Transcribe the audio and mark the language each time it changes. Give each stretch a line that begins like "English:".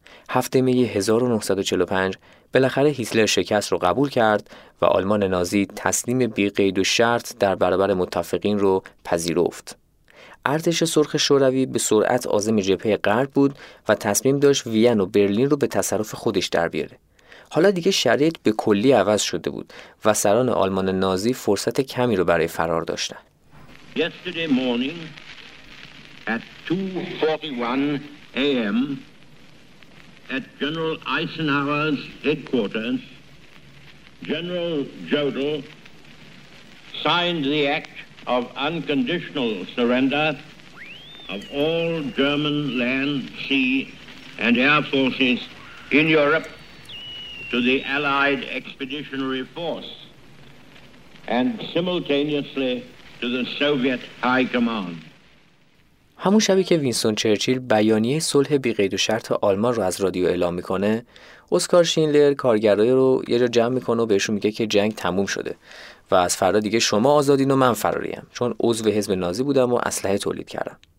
Persian: هفته می 1945 بالاخره هیتلر شکست رو قبول کرد و آلمان نازی تسلیم بی قید و شرط در برابر متفقین رو پذیرفت. ارتش سرخ شوروی به سرعت عازم جبهه غرب بود و تصمیم داشت وین و برلین رو به تصرف خودش در بیاره. حالا دیگه شرایط به کلی عوض شده بود و سران آلمان نازی فرصت کمی رو برای فرار داشتن.
English: Yesterday morning at 2:41 a.m. at General Eisenhower's headquarters, General Jodl signed the act of unconditional surrender of all German land, sea, and air forces in Europe to the Allied Expeditionary Force and simultaneously to the Soviet High Command.
Persian: همون شبی که وینستون چرچیل بیانیه صلح بی قید و شرط آلمان رو از رادیو اعلام میکنه، اسکار شینلر کارگرای رو یه جا جمع میکنه و بهشون میگه که جنگ تموم شده و از فردا دیگه شما آزادین و من فراریم، چون عضو حزب نازی بودم و اسلحه تولید کردم.